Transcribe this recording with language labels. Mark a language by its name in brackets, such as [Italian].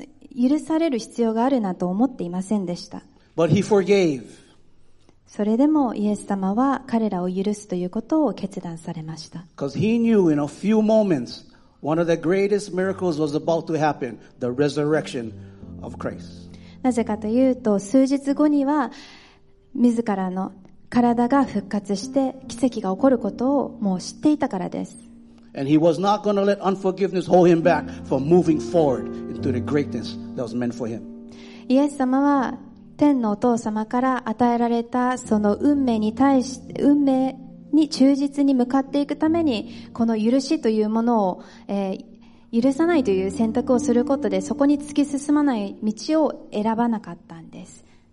[Japanese] 許される必要があるなと思っていませんでした。 [English] But he forgave。 [Japanese] それでもイエス様は彼らを許すということを決断されました。 [English] Because he knew in a few momentsOne of the greatest miracles was about to happen, the resurrection of Christ. [Japanese] なぜかというと、数日後には自らの体が復活して奇跡が起こることをもう知っていたからです。 [English] And he was not going to let unforgiveness hold him back from moving forward into the greatness that was meant for him. [Japanese] イエス様は天のお父様から与えられたその運命に対して、運命に忠実に向かっていくために、この許しというものを、許さないという選択をすることで、そこに突き進まない道を選ばなかったんです。